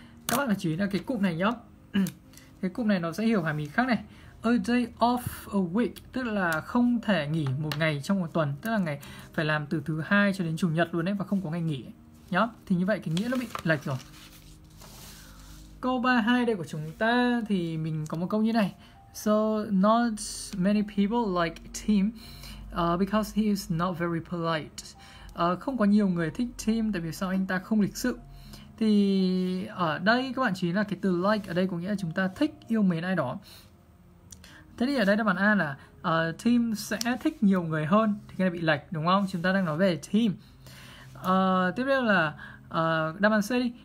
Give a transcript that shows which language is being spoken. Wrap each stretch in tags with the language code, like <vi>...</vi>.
<vi>Các bạn phải chú ý là cái cụm này nhá. Cái cụm này nó sẽ hiểu hàm ý khác này.</vi> <en>A day off a week</en> <vi>tức là không thể nghỉ một ngày trong một tuần, tức là ngày phải làm từ thứ hai cho đến chủ nhật luôn ấy, và không có ngày nghỉ nhá. Thì như vậy cái nghĩa nó bị lệch rồi. Câu 32 đây của chúng ta thì mình có một câu như này.</vi> <en>So not many people like Tim because he is not very polite.</en> <vi>không có nhiều người thích Tim tại vì sao anh ta không lịch sự. Thì ở đây các bạn chú ý là cái từ like ở đây có nghĩa là chúng ta thích, yêu mến ai đó. Thế thì ở đây đáp án A là Tim sẽ thích nhiều người hơn, thì cái này bị lệch đúng không? Chúng ta đang nói về Tim. Tiếp theo là đáp án C đi.</vi>